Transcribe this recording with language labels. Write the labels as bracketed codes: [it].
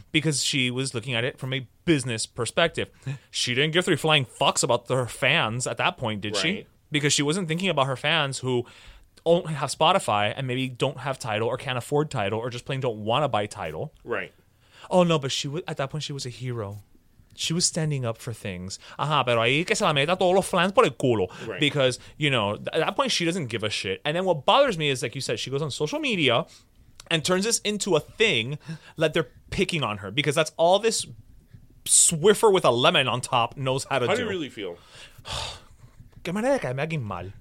[en] Because she was looking at it from a business perspective. She didn't give three flying fucks about her fans at that point, did she? Because she wasn't thinking about her fans who only have Spotify and maybe don't have Tidal or can't afford Tidal or just plain don't want to buy Tidal. Right. Oh, no, but she at that point, she was a hero. She was standing up for things. [es] Ajá, pero ahí que se la meta todos los flans por el culo. [en] Right. Because, you know, at that point, she doesn't give a shit. And then what bothers me is, like you said, she goes on social media and turns this into a thing that they're picking on her because that's all this Swiffer with a lemon on top knows how to do. How do you really feel? [es] ¿Qué manera de caerme alguien mal?